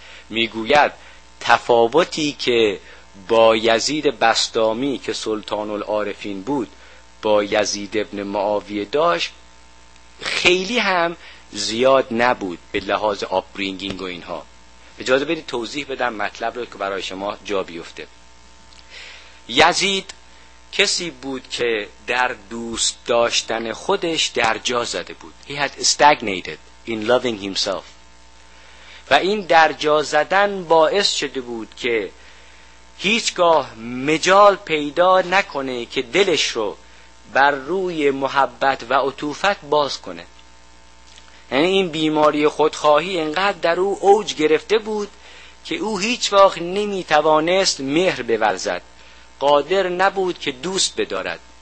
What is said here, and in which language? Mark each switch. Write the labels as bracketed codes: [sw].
[fa] میگوید تفاوتی که با یزید بسطامی که سلطان العارفین بود با یزید ابن معاویه داشت خیلی هم زیاد نبود به لحاظ آپبرینگینگ و اینها. اجازه بدید توضیح بدم مطلب رو که برای شما جا بیفته. یزید کسی بود که در دوست داشتن خودش در جا زده بود. [en] He had stagnated in loving himself. [fa] و این در جا زدن باعث شده بود که هیچگاه مجال پیدا نکنه که دلش رو بر روی محبت و عطوفت باز کنه. یعنی این بیماری خودخواهی انقدر در او اوج گرفته بود که او هیچ وقت نمی توانست مهر بورزد، قادر نبود که دوست بدارد.